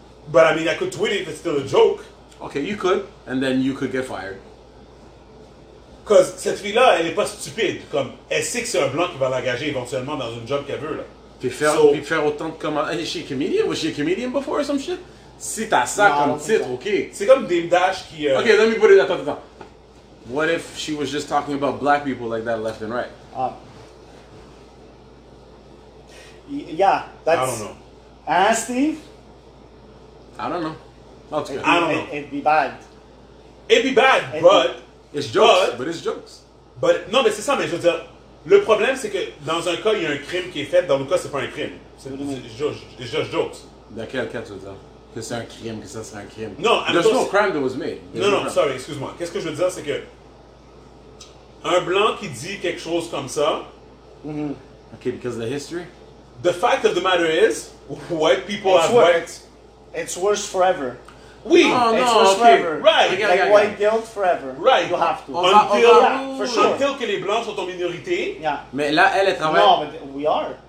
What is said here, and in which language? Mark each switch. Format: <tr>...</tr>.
<en>But I mean, I could tweet it if it's still a joke. Okay, you could, and then you could get fired.</en> <fr>Cause cette fille-là, elle n'est pas stupide. Comme elle sait que c'est un blanc qui va l'engager éventuellement dans un job qu'elle veut là. Puis faire autant de commentaires.</fr> <en>Is she a comedian? Was she a comedian before or some shit?</en> <fr>Si t'as ça non, comme titre, ok. C'est comme Dame Dash qui.</fr> <en>Okay, let me put it.</en> <fr>Attends.</fr> <en>What if she was just talking about black people like that left and right? That's. I don't know. Steve. I don't know. It'd be bad, but... It's jokes, but it's jokes.</en> <fr>But, non, mais c'est ça, mais je veux dire, le problème, c'est que dans un cas, il y a un crime qui est fait, dans le cas, c'est pas un crime. C'est juste jokes. Dans quel cas, tu veux dire? Que c'est un crime, que ça serait un crime? Non,</fr> <en>crime that was made. Sorry,</en> <fr>excuse-moi. Qu'est-ce que je veux dire, c'est que... Un blanc qui dit quelque chose comme ça...</fr> <en>Mm-hmm. Okay, because of the history? The fact of the matter is, white people it's have white... It's worse forever.</en> <fr>Oui.</fr> <en>White guilt forever. Right. You have to. Until</en> <fr>que les blancs sont en minorité.</fr> <en>Yeah.</en> <fr>Mais là, elle est travaillée.</fr> <en>No, but we are.</en>